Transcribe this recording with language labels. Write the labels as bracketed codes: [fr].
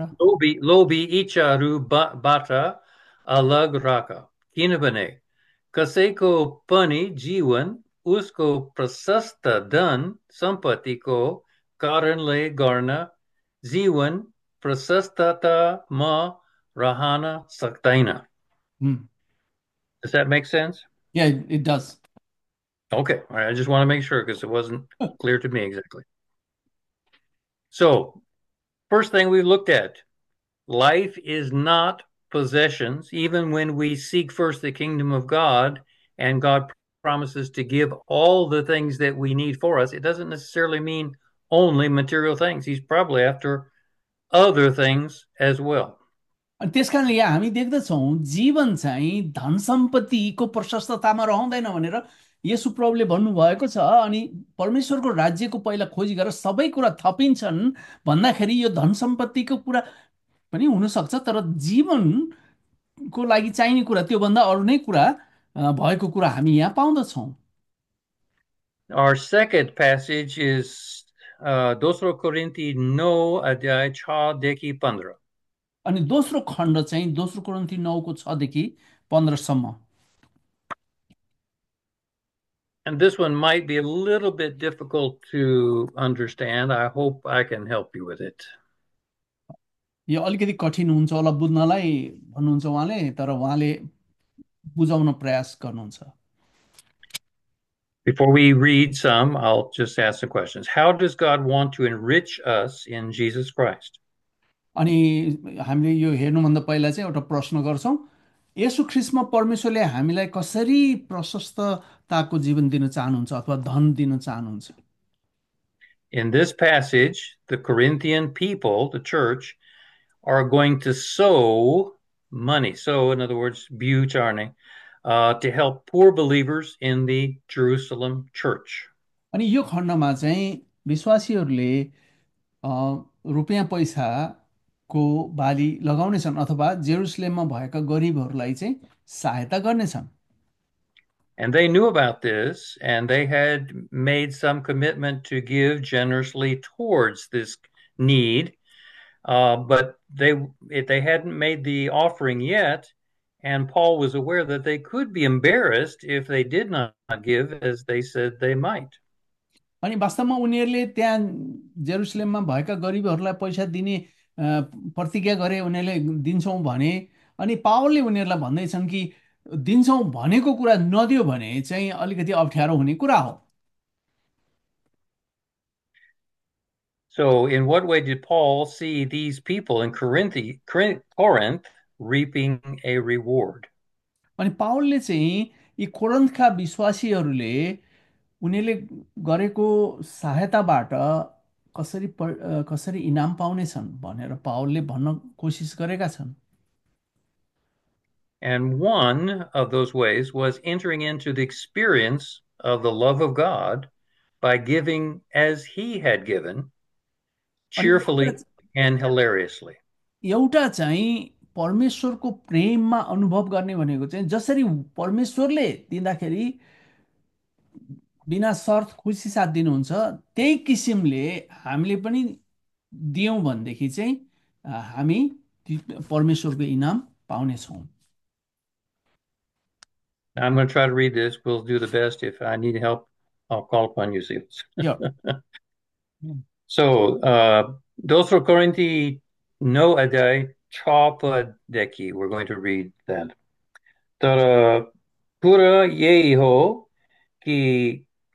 [ne] लोभी लोभी इच्छाहरू बाट अलग राख, किनभने कसैको पनि जीवन उसको प्रशस्त धन सम्पत्तिको कारणले गर्न जीवन प्रशस्तता रहन सक्दैन। [en] Does that make sense? Yeah, it does. Okay, all right. I just want to make sure because it wasn't clear to me exactly. So, first thing we looked at, life is not possessions, even when we seek first the kingdom of God and God promises to give all the things that we need for us. It doesn't necessarily mean only material things. He's probably after other things as well. [ne] अनि त्यस कारणले यहाँ हामी देख्दछौँ जीवन चाहिँ धन सम्पत्तिको प्रशस्ततामा रहँदैन भनेर यसु प्रभुले भन्नुभएको छ। अनि परमेश्वरको राज्यको पहिला खोजी गरेर सबै कुरा थपिन्छन् भन्दाखेरि यो धन सम्पत्तिको कुरा पनि हुनसक्छ, तर जीवनको लागि चाहिने कुरा त्योभन्दा अरू नै कुरा भएको कुरा हामी यहाँ पाउँदछौँ। [en] Our second passage is [ne] Dosro Korinti no adhyay 6 dekhi 15. अनि दोस्रो खण्ड चाहिँ दोस्रो कोरिन्थी 9:6-15। [en] And this one might be a little bit difficult to understand. I hope I can help you with it. [ne] यो अलिकति कठिन हुन्छ होला बुझ्नलाई भन्नुहुन्छ उहाँले, तर उहाँले बुझाउन प्रयास गर्नुहुन्छ। [en] Before we read some, I'll just ask some questions. How does God want to enrich us in Jesus Christ? [ne] अनि हामीले यो हेर्नुभन्दा पहिला चाहिँ एउटा प्रश्न गर्छौँ, येशु ख्रीष्टमा परमेश्वरले हामीलाई कसरी प्रशस्तताको जीवन दिन चाहनुहुन्छ अथवा धन दिन चाहनुहुन्छ? [en] In this passage, the Corinthian people, the church, are going to sow money. So, in other words, buchar. to help poor believers in the Jerusalem church. [ne] अनि यो खण्डमा चाहिँ विश्वासीहरूले रुपियाँ पैसाको बाली लगाउनेछन् अथवा जेरुसलेममा भएका गरिबहरूलाई चाहिँ सहायता गर्नेछन्। [en] And they knew about this, and they had made some commitment to give generously towards this need, but they hadn't made the offering yet, and Paul was aware that they could be embarrassed if they did not give as they said they might. [ne] अनि वास्तवमा उनीहरूले त्यहाँ जेरुसलेममा भएका गरिबहरूलाई पैसा दिने प्रतिज्ञा गरे, उनीहरूले दिन्छौँ भने, अनि पावलले उनीहरूलाई भन्दैछन् कि दिन्छौँ भनेको कुरा नदियो भने चाहिँ अलिकति अप्ठ्यारो हुने कुरा हो। [en] So, in what way did Paul see these people in Corinth reaping a reward? [ne] अनि पावलले चाहिँ यी कोरन्थका विश्वासीहरूले उनीहरूले गरेको सहायताबाट कसरी कसरी इनाम पाउनेछन् भनेर पावलले भन्न कोसिस गरेका छन्। [en] And one of those ways was entering into the experience of the love of God by giving as he had given. [ne] अनि [en] Cheerfully and hilariously. [ne] एउटा चाहिँ परमेश्वरको प्रेममा अनुभव गर्ने भनेको चाहिँ जसरी परमेश्वरले दिँदाखेरि बिना शर्त खुसी साथ दिनुहुन्छ, त्यही किसिमले हामीले पनि दियौँ भनेदेखि चाहिँ हामी परमेश्वरको इनाम पाउनेछौँ। [en] Now I'm going to try to read this. We'll do the best. If I need help, I'll call upon you. [ne] So, Dosro Korinti no adai chapa deki. [en] We're going to read that. [ne] Tara pura yeho ki.